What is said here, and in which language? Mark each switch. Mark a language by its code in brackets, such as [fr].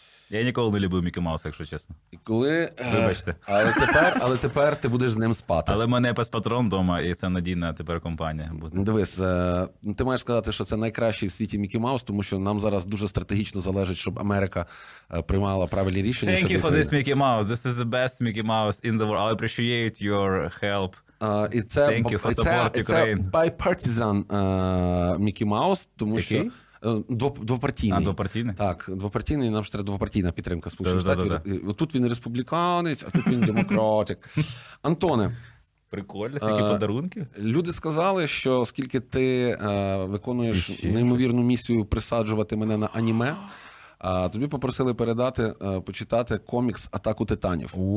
[uk] Я ніколи не любив Мікі Мауса, якщо чесно. І коли... Вибачте. Але тепер ти будеш з ним спати. Але в мене Пес-патрон вдома, і це надійна тепер компанія буде. Дивись, ти маєш сказати, що це найкращий в світі Мікі Маус, тому що нам зараз дуже стратегічно залежить, щоб Америка приймала правильні рішення. [en] Thank you for this, Mickey Mouse. This is the best Mickey Mouse in the world. I appreciate your help. [uk] І це, [en] thank you for support, Ukraine. [uk] Це bipartisan Мікі Маус, тому який? Що... Двопартійний. А, двопартійний? Так, двопартійний, нам ще треба двопартійна підтримка Сполучених Штатів. Тут він республіканець, а тут він демократик. Антоне. Прикольно, стільки подарунків. Люди сказали, що оскільки ти виконуєш ще неймовірну місію присаджувати мене на аніме, тобі попросили передати, почитати комікс «Атаку титанів».